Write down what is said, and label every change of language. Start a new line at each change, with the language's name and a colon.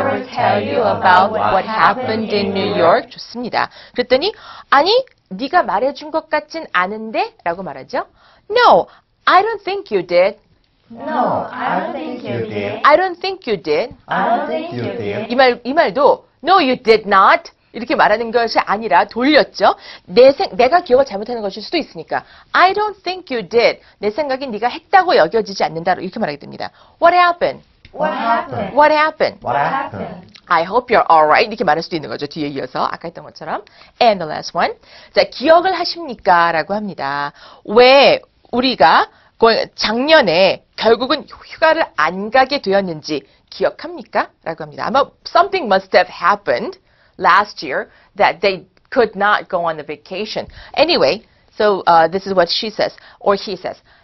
English: Did I ever tell you about what happened in New York?
Korean: 좋습니다. 그랬더니 아니 네가 말해준 것 같진 않은데? 라고 말하죠.
English: No, I don't think you did. No, I don't think you did. I don't think you did. I don't think you did.
Korean: 이 말도
English: No, you did not.
Korean: 이렇게 말하는 것이 아니라 돌렸죠. 내가 기억을 잘못하는 것일 수도 있으니까.
English: I don't think you did.
Korean: 내 생각이 네가 했다고 여겨지지 않는다. 이렇게 말하게 됩니다.
English: What happened? I hope you're alright.
Korean: 이렇게 말할 수도 있는 거죠. 뒤에 이어서 아까 했던 것처럼.
English: And the last one.
Korean: 자, 기억을 하십니까? 라고 합니다. 왜 우리가 작년에 결국은 휴가를 안 가게 되었는지 기억합니까? 라고 합니다. 아마
English: something must have happened last year that they could not go on a vacation. Anyway, so this is what she says or he says.